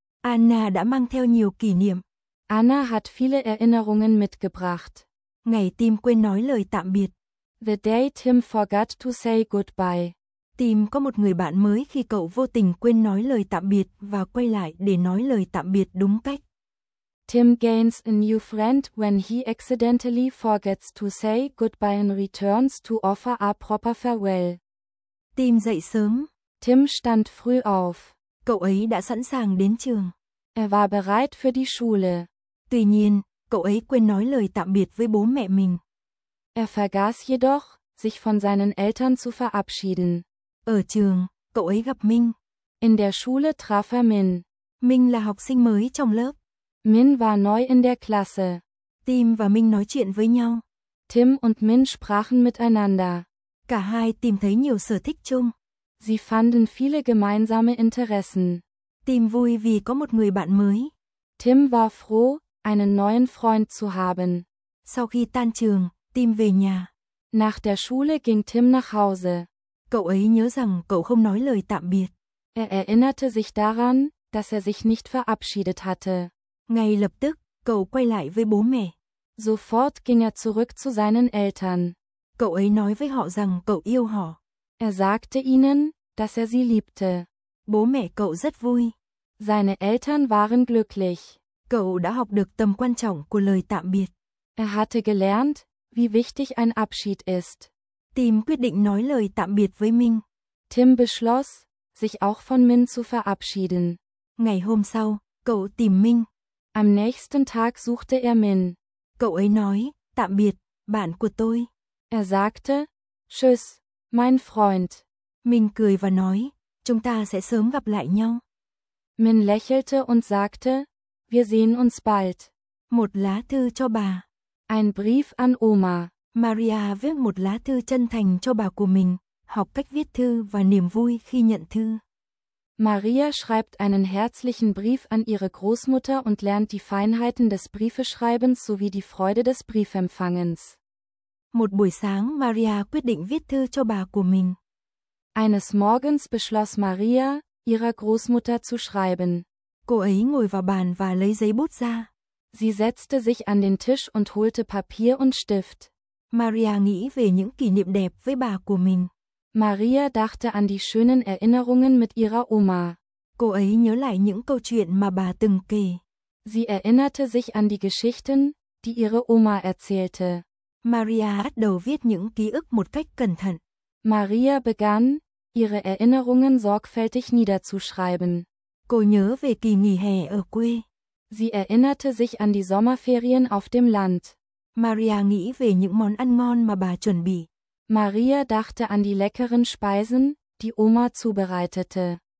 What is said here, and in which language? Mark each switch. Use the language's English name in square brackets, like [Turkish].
[Vietnamese] Anna đã mang theo nhiều kỷ niệm. [German] Anna hat viele Erinnerungen mitgebracht. [Vietnamese] Ngày Tim quên nói lời tạm biệt. [English] The day Tim forgot to say goodbye. [Vietnamese] Tim có một người bạn mới khi cậu vô tình quên nói lời tạm biệt và quay lại để nói lời tạm biệt đúng cách. [English] Tim gains a new friend when he accidentally forgets to say goodbye and returns to offer a proper farewell. [Vietnamese] Tim dậy sớm. [German] Tim stand früh auf. [Vietnamese] Cậu ấy đã sẵn sàng đến trường. [German] Er war bereit für die Schule. [Vietnamese] Tuy nhiên, cậu ấy quên nói lời tạm biệt với bố mẹ mình. [German] Er vergaß jedoch, sich von seinen Eltern zu verabschieden. [Vietnamese] Ở trường, cậu ấy gặp Minh. [German] In der Schule traf er Min. [Vietnamese] Minh là học sinh mới trong lớp. [German] Min war neu in der Klasse. [Vietnamese] Tim và Minh nói chuyện với nhau. [German] Tim und Min sprachen miteinander. [Vietnamese] Cả hai tìm thấy nhiều sở thích chung. [German] Sie fanden viele gemeinsame Interessen. [Vietnamese] Tim vui vì có một người bạn mới. [German] Tim war froh, einen neuen Freund zu haben. [Vietnamese] Sau khi tan trường, Tim về nhà. [German] Nach der Schule ging Tim nach Hause. [Vietnamese] Cậu ấy nhớ rằng cậu không nói lời tạm biệt. [German] Er erinnerte sich daran, dass er sich nicht verabschiedet hatte. [Vietnamese] Ngay lập tức, cậu quay lại với bố mẹ. [German] Sofort ging er zurück zu seinen Eltern. [Vietnamese] Cậu ấy nói với họ rằng cậu yêu họ. [German] Er sagte ihnen, dass er sie liebte. [Vietnamese] Bố mẹ cậu rất vui. [German] Seine Eltern waren glücklich. [Vietnamese] Cậu đã học được tầm quan trọng của lời tạm biệt. [German] Er hatte gelernt, wie wichtig ein Abschied ist. [Vietnamese] Tim quyết định nói lời tạm biệt với Minh. [German] Tim beschloss, sich auch von Min zu verabschieden. [Vietnamese] Ngày hôm sau, cậu tìm Minh. [German] Am nächsten Tag suchte er Min. [Vietnamese] Cậu ấy nói, tạm biệt, bạn của tôi. [German] Er sagte, tschüss, mein Freund. [Vietnamese] Minh cười và nói, chúng ta sẽ sớm gặp lại nhau. [German] Min lächelte und sagte, wir sehen uns bald. [Vietnamese] Một lá thư cho bà. [German] Ein Brief an Oma. [Vietnamese] Maria viết một lá thư chân thành cho bà của mình, học cách viết thư và niềm vui khi nhận thư. [German] Maria schreibt einen herzlichen Brief an ihre Großmutter und lernt die Feinheiten des Briefeschreibens sowie die Freude des Briefempfangens. [Vietnamese] Một buổi sáng, Maria quyết định viết thư cho bà của mình. [German] Eines Morgens beschloss Maria, ihrer Großmutter zu schreiben. [Vietnamese] Cô ấy ngồi vào bàn và lấy giấy bút ra. [German] Sie setzte sich an den Tisch und holte Papier und Stift. [Vietnamese] Maria nghĩ về những kỷ niệm đẹp với bà của mình. [German] Maria dachte an die schönen Erinnerungen mit ihrer Oma. [Vietnamese] Cô ấy nhớ lại những câu chuyện mà bà từng kể. [German] Sie erinnerte sich an die Geschichten, die ihre Oma erzählte. [Vietnamese] Maria bắt đầu viết những ký ức một cách cẩn thận. [German] Maria begann, ihre Erinnerungen sorgfältig niederzuschreiben. [Vietnamese] Cô nhớ về kỳ nghỉ hè ở quê. [German] Sie erinnerte sich an die Sommerferien auf dem Land. [Vietnamese] Maria nghĩ về những món ăn ngon mà bà chuẩn bị. [German] Maria dachte an die leckeren Speisen, die Oma zubereitete.